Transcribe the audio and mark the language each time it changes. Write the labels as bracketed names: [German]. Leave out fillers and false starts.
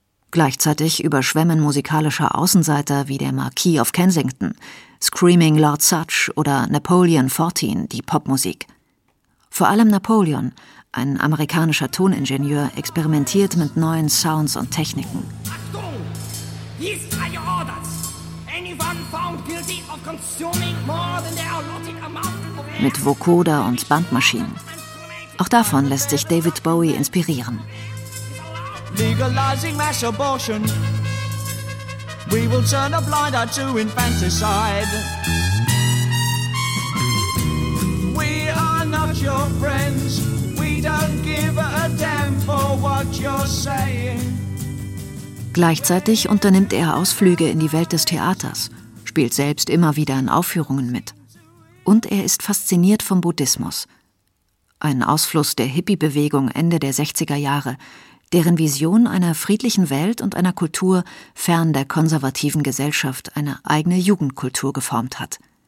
[German] Gleichzeitig überschwemmen musikalische Außenseiter wie der Marquis of Kensington, Screaming Lord Sutch oder Napoleon XIV die Popmusik. Vor allem Napoleon, ein amerikanischer Toningenieur, experimentiert mit neuen Sounds und Techniken. [English] Achtung! Dies are your orders. Anyone found guilty of consuming more than their allotted amount of air? [German] Mit Vocoder und Bandmaschinen. Auch davon lässt sich David Bowie inspirieren. [English] Legalizing mass abortion. We will turn a blind eye to infanticide. We are not your friends. Don't give a damn for what you're saying. [German] Gleichzeitig unternimmt er Ausflüge in die Welt des Theaters, spielt selbst immer wieder in Aufführungen mit. Und er ist fasziniert vom Buddhismus. Ein Ausfluss der Hippie-Bewegung Ende der 60er Jahre, deren Vision einer friedlichen Welt und einer Kultur fern der konservativen Gesellschaft eine eigene Jugendkultur geformt hat.